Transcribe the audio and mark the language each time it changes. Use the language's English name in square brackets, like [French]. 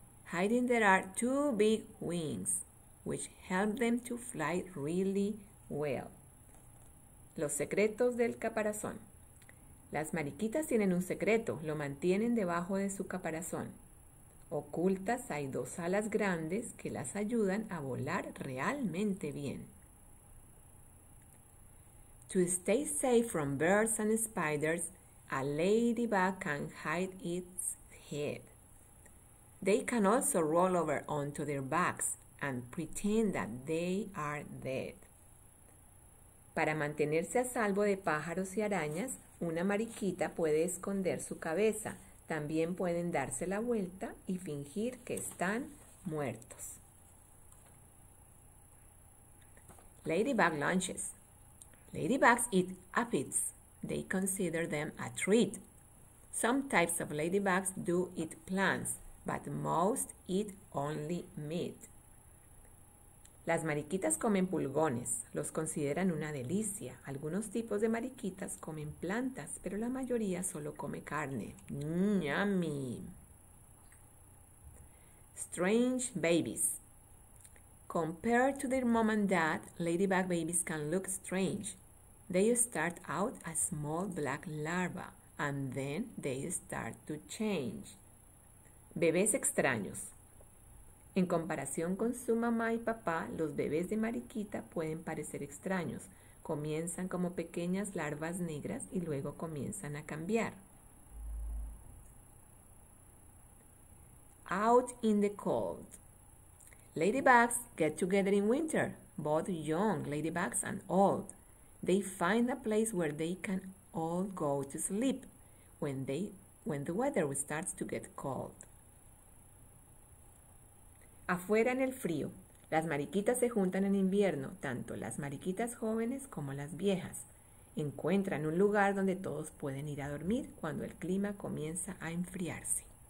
[English] Hiding there are two big wings, which help them to fly really well. [Spanish] Los secretos del caparazón. Las mariquitas tienen un secreto, lo mantienen debajo de su caparazón. Ocultas hay dos alas grandes que las ayudan a volar realmente bien. [English] To stay safe from birds and spiders, a ladybug can hide its head. They can also roll over onto their backs and pretend that they are dead. [Spanish] Para mantenerse a salvo de pájaros y arañas, una mariquita puede esconder su cabeza. También pueden darse la vuelta y fingir que están muertos. [English] Ladybug lunches. Ladybugs eat aphids. They consider them a treat. Some types of ladybugs do eat plants, but most eat only meat. [Spanish] Las mariquitas comen pulgones, los consideran una delicia. Algunos tipos de mariquitas comen plantas, pero la mayoría solo come carne. [English] ¡Yummy! Strange babies. Compared to their mom and dad, ladybug babies can look strange. They start out as small black larvae, and then they start to change. [Spanish] Bebés extraños. En comparación con su mamá y papá, los bebés de mariquita pueden parecer extraños. Comienzan como pequeñas larvas negras y luego comienzan a cambiar. [English] Out in the cold. Ladybugs get together in winter, both young ladybugs and old. They find a place where they can all go to sleep when the weather starts to get cold. [Spanish] Afuera en el frío, las mariquitas se juntan en invierno, tanto las mariquitas jóvenes como las viejas. Encuentran un lugar donde todos pueden ir a dormir cuando el clima comienza a enfriarse.